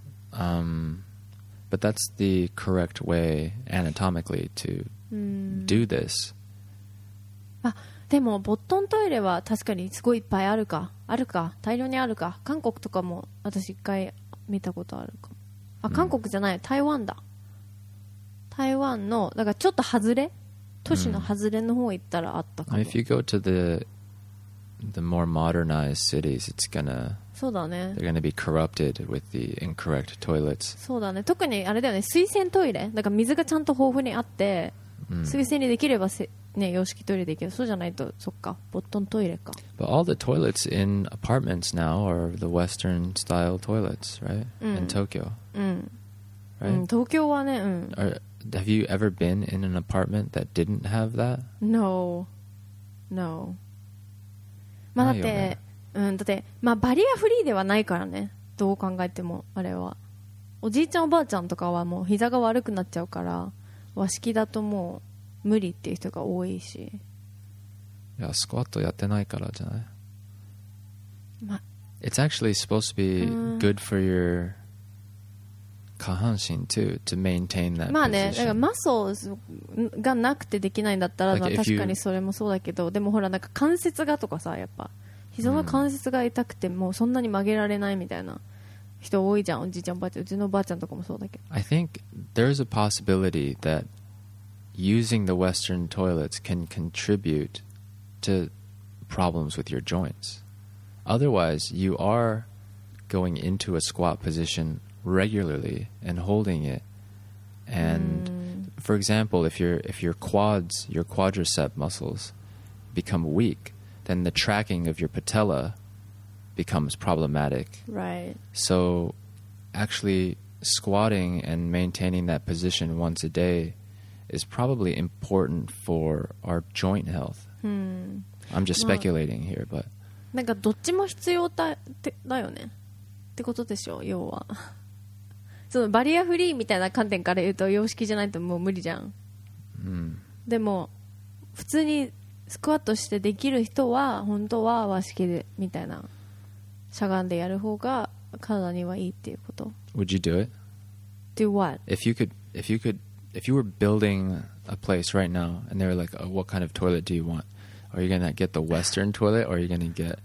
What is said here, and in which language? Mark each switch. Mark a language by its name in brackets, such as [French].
[English] But that's the correct way anatomically to do this. [Japanese] あ、でもボットントイレは確かにすごいいっぱいあるか、あるか、大量にあるか。韓国とかも私一回見たことあるか。あ、韓国じゃない、台湾だ。台湾のだからちょっと外れ、都市の外れの方行ったらあったかも。 [English] If you go to the more modernized cities, it's gonna [Japanese] そうだね、 [English] they're gonna be corrupted with the incorrect toilets. [Japanese] そうだね、特にあれだよね、水洗トイレ、だから水がちゃんと豊富にあって、水洗にできればね、洋式トイレできる。そうじゃないと、そっか、ボットントイレか。 [English] But all the toilets in apartments now are the Western style toilets, right? In Tokyo. Right? [Japanese] 東京はね、 [English] Have you ever been in an apartment that didn't have that? No. No. [Japanese] まあ、だって、うん、だって、まあ、バリアフリーではないからね、どう考えても。あれはおじいちゃんおばあちゃんとかはもう膝が悪くなっちゃうから、和式だともう無理っていう人が多いし。いや、スクワットやってないからじゃない。ま、 [English] It's actually supposed to be good for your [Japanese] 下半身 [English] too to maintain that [Japanese] position. まあね、だからマッスルがなくてできないんだったら、まあ確かにそれもそうだけど、でもほらなんか関節がとかさ、やっぱ膝の関節が痛くてもうそんなに曲げられないみたいな人多いじゃん。おじいちゃんばあちゃん、うちのばあちゃんとかもそうだけど。 [English] I think there's a possibility that using the Western toilets can contribute to problems with your joints. Otherwise, you are going into a squat position regularly and holding it. And for example, if your quads, your quadricep muscles become weak, then the tracking of your patella becomes problematic. Right. So actually squatting and maintaining that position once a day is probably important for our joint health. I'm just speculating here, but [Japanese] なんかどっちも必要だよねってことでしょ。要はそのバリアフリーみたいな観点から言うと、洋式じゃないともう無理じゃん。でも普通にスクワットしてできる人は本当は和式でみたいな、しゃがんでやる方が体にはいいっていうこと。 [English] Would you do it? Do what? If you were building a place right now and they were like, oh, what kind of toilet do you want? Are you going to get the Western toilet or are you going to get